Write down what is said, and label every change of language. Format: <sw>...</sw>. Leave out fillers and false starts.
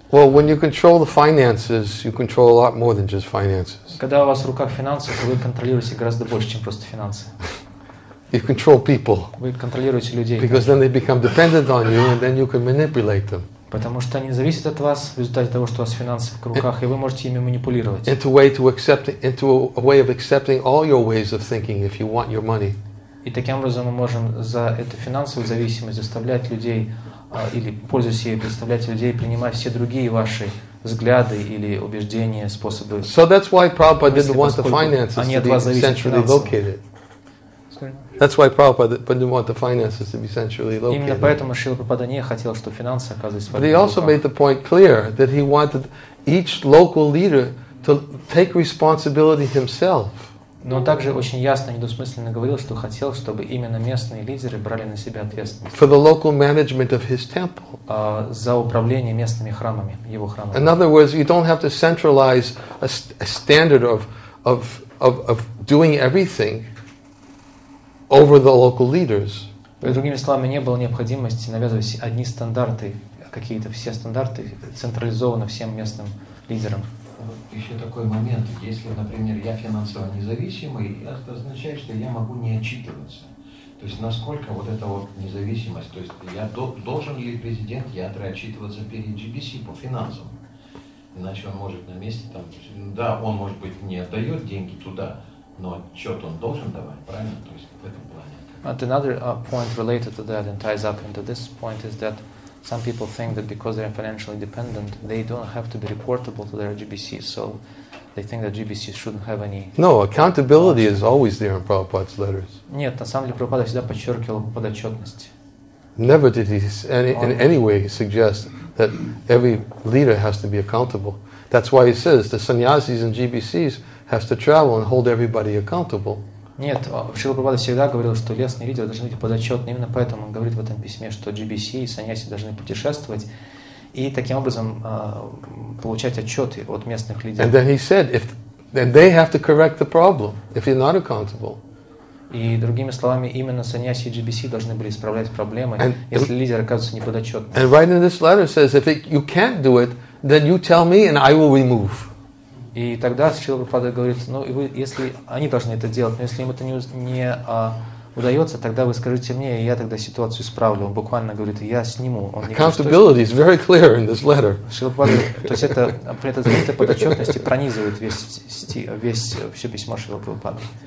<en>Well, when you control the finances, you control a lot more than just finances.</en> <ru>Когда у вас в руках финансы, вы контролируете гораздо больше, чем просто финансы.</ru> <en>You control people.</en> <ru>Вы контролируете людей.</ru> <en>Because then they become dependent on you, and then you can manipulate them.</en> <ru>Потому что они зависят от вас в результате того, что у вас финансы в руках, и вы можете ими манипулировать.</ru> <en>Into a way to accept, into a way of accepting all your ways of thinking, if you want your money.</en> <ru>И таким образом мы можем за эту финансовую зависимость заставлять людей, или пользуясь ею, заставлять людей принимать все другие ваши взгляды или убеждения, способы.</ru> <en>So that's why Prabhupada didn't want the finances to be centrally located. That's why Prabhupada didn't want the finances to be centrally located.</en> <ru>Именно поэтому Шрила Прабхупада не хотел, чтобы финансы оказывались в руках.</ru> <en>But he also made the point clear that he wanted each local leader to take responsibility himself.</en> <ru>Но он также очень ясно и недвусмысленно говорил, что хотел, чтобы именно местные лидеры брали на себя ответственность.</ru> <en>For the local management of his temple.</en> <ru>За управление местными храмами, его храмами.</ru> <en>In other words, you don't have to centralize a standard of doing everything over the local leaders.</en> <ru>Другими словами, не было необходимости навязывать одни стандарты, какие-то все стандарты централизованно всем местным лидерам. Еще такой момент. Если, например, я финансово независимый, это означает, что я могу не отчитываться. То есть насколько вот эта вот независимость, то есть я должен ли президент ядра отчитываться перед GBC по финансам? Иначе он может на месте там, да, он может быть не отдает деньги туда, но отчет он должен давать, правильно? То есть</ru> <en>And another point related to that and ties up into this point is that some people think that because they're financially independent, they don't have to be reportable to their GBC, so they think that GBC shouldn't have any... No, accountability is always there in Prabhupada's letters.</en> <ru>Нет, на самом деле Прабхупада всегда подчеркивал подотчетность.</ru> <en>Never did he in any way suggest that every leader has to be accountable. That's why he says the sannyasis and GBCs have to travel and hold everybody accountable.</en> <ru>Нет, Шрила Прабхупада всегда говорил, что лесные лидеры должны быть подотчетны. Именно поэтому он говорит в этом письме, что GBC и саньяси должны путешествовать и таким образом получать отчеты от местных лидеров.</ru> <en>And then he said, if then they have to correct the problem if you're not accountable.</en> <ru>И другими словами, именно саньяси и GBC должны были исправлять проблемы,</ru> <en>and</en> <ru>если лидер оказывается неподотчетным.</ru> <en>And right in this letter says, if you can't do it, then you tell me and I will remove.</en> <ru>И тогда Шрила Прабхупада говорит, ну, и вы, если они должны это делать, но если им это не удается, тогда вы скажите мне, и я тогда ситуацию исправлю. Он буквально говорит, я сниму. Он</ru> <en>Accountability is very clear in this letter.</en> <ru>То есть это при этой защите подотчетности пронизывает все письмо Шрилы Прабхупады.</ru>